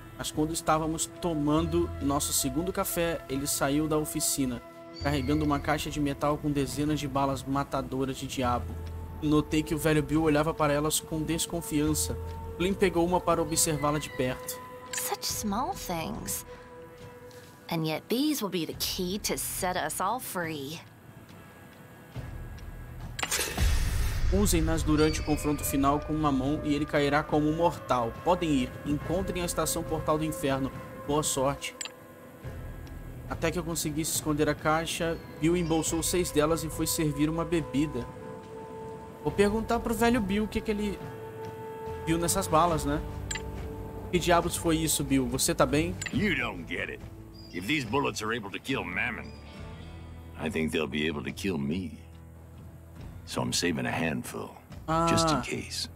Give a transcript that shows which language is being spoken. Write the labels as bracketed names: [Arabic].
[Portuguese] Mas quando estávamos tomando nosso segundo café, ele saiu da oficina, carregando uma caixa de metal com dezenas de balas matadoras de diabo. Notei que o velho Bill olhava para elas com desconfiança. Flynn pegou uma para observá-la de perto. [English] Such small things. And yet these will be the key to set us all free. [Portuguese] Usem-nas durante o confronto final com uma mão e ele cairá como um mortal. Podem ir. Encontrem a estação Portal do Inferno. Boa sorte. Até que eu conseguisse esconder a caixa, Bill embolsou 6 delas e foi servir uma bebida. Vou perguntar pro velho Bill o que ele viu nessas balas, né? Que diabos foi isso, Bill? Você tá bem? [English] You don't get it. If these bullets are able to kill Mammon, I think they'll be able to kill me. So I'm saving a handful, just in case.